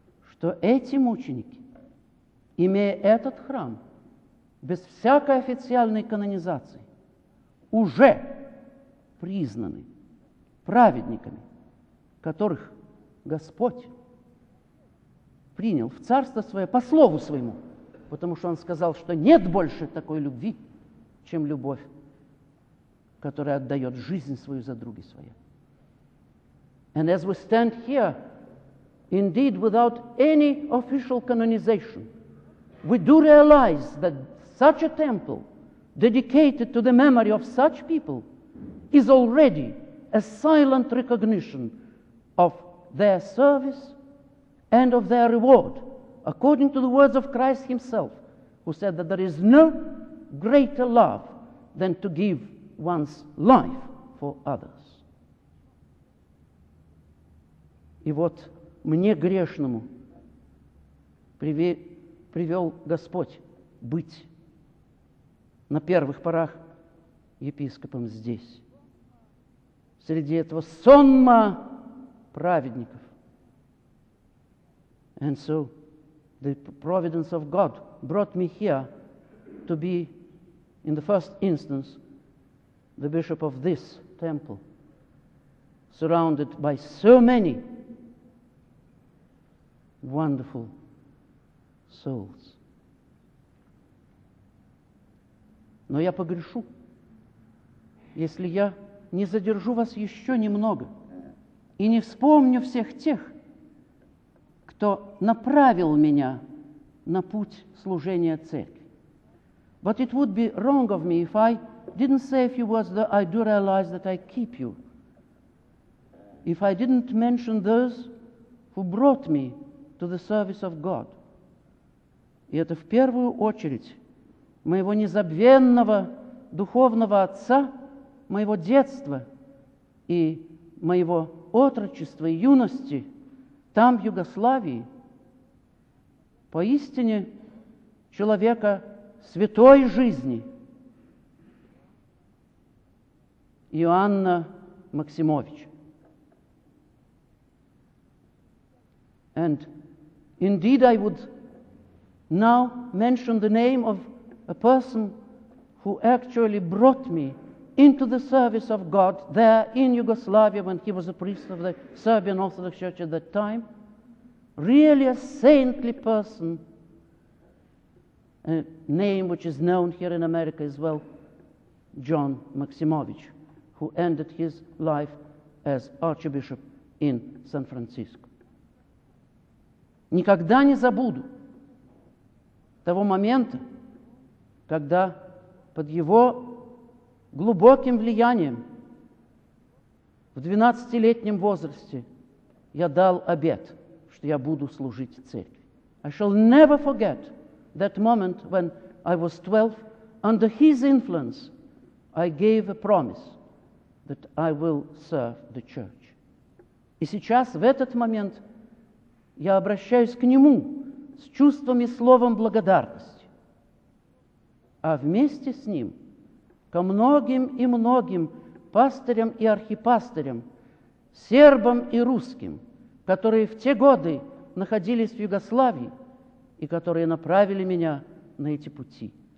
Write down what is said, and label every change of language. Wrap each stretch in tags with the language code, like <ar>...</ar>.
<ru>Что эти мученики, имея этот храм, без всякой официальной канонизации, уже признаны праведниками, которых Господь принял в царство свое по слову своему, потому что он сказал, что нет больше такой любви, чем любовь, которая отдает жизнь свою за други свои.</ru> <en>And as we stand here, indeed without any official canonization, we do realize that such a temple dedicated to the memory of such people is already a silent recognition of their service and of their reward, according to the words of Christ himself, who said that there is no greater love than to give one's life for others.</en> <ru>И вот мне грешному привел Господь быть на первых порах епископом здесь, среди этого сонма праведников.</ru> <en>And so the providence of God brought me here to be, in the first instance, the bishop of this temple, surrounded by so many wonderful souls.</en> <ru>Но я погрешу, если я не задержу вас еще немного и не вспомню всех тех, кто направил меня на путь служения церкви.</ru> <en>But it would be wrong of me if I didn't say a few words, though I do realize that I keep you. If I didn't mention those who brought me to the service of God.</en> <ru>И это в первую очередь моего незабвенного духовного отца, моего детства и моего отрочества и юности там, в Югославии, поистине человека святой жизни, Иоанна Максимовича.</ru> <en>And indeed I would now mention the name of a person who actually brought me into the service of God there in Yugoslavia when he was a priest of the Serbian Orthodox Church at that time. Really a saintly person, a name which is known here in America as well, John Maximovich, who ended his life as Archbishop in San Francisco.</en> <ru>Никогда не забуду того момента, когда под его глубоким влиянием в 12-летнем возрасте я дал обет, что я буду служить церкви.</ru> <en>I shall never forget that moment when I was 12. Under his influence I gave a promise that I will serve the church.</en> <ru>И сейчас, в этот момент, я обращаюсь к нему с чувством и словом благодарности, а вместе с ним ко многим и многим пастырям и архипастырям, сербам и русским, которые в те годы находились в Югославии и которые направили меня на эти пути.</ru>